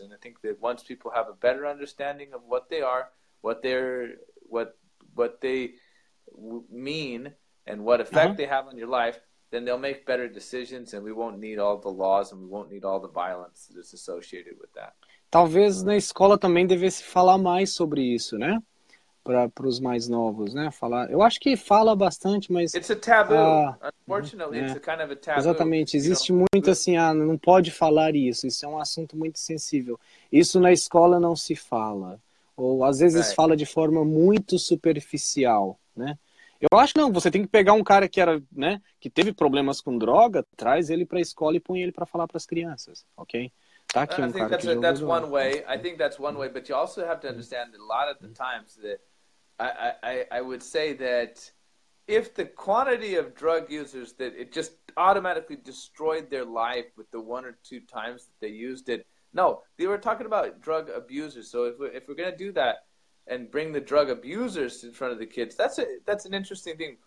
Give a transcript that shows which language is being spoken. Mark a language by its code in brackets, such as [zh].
[en] And I think that once people have a better understanding of what they are, what they mean, and what effect they have on your life, then they'll make better decisions, and we won't need all the laws, and we won't need all the violence that is associated with that. [pt] Talvez na escola também devesse falar mais sobre isso, né? Para os mais novos, né? Falar. Eu acho que fala bastante, mas... [en] It's a taboo. Unfortunately, it's a kind of a taboo. [pt] Exatamente. Existe muito assim, não pode falar isso. Isso é um assunto muito sensível. Isso na escola não se fala. Ou às vezes fala de forma muito superficial, né? Eu acho que não, você tem que pegar um cara que era, né, que teve problemas com droga, traz ele para a escola e põe ele para falar para as crianças, ok? Tá aqui um cara que [en] that's one way. I think that's one way, but you also have to understand that a lot of the times that I would say that if the quantity of drug users that it just automatically destroyed their life with the one or two times that they used it. No, they were talking about drug abusers. So if we're going to do that and bring the drug abusers in front of the kids, that's an interesting thing.